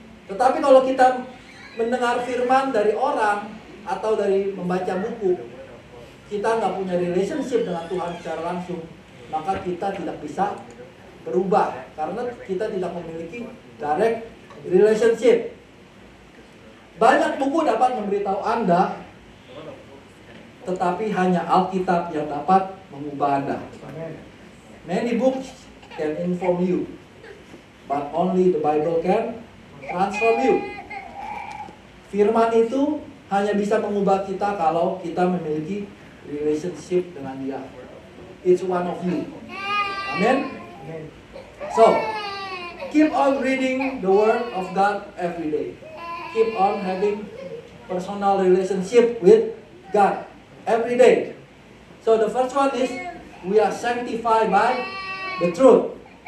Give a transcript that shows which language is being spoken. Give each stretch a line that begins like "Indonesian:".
Indonesian: Tetapi kalau kita mendengar firman dari orang atau dari membaca buku, kita nggak punya relationship dengan Tuhan secara langsung, maka kita tidak bisa berubah karena kita tidak memiliki direct relationship. Banyak buku dapat memberitahu Anda, tetapi hanya Alkitab yang dapat mengubah Anda.
English: Many books can inform you, but only the Bible can transform you.
Indonesian: Firman itu hanya bisa mengubah kita kalau kita memiliki relationship dengan Dia.
English: It's one of you. Amen? So, keep on reading the Word of God every day. Keep on having personal relationship with God every day. So, the first one is, we are sanctified by the truth.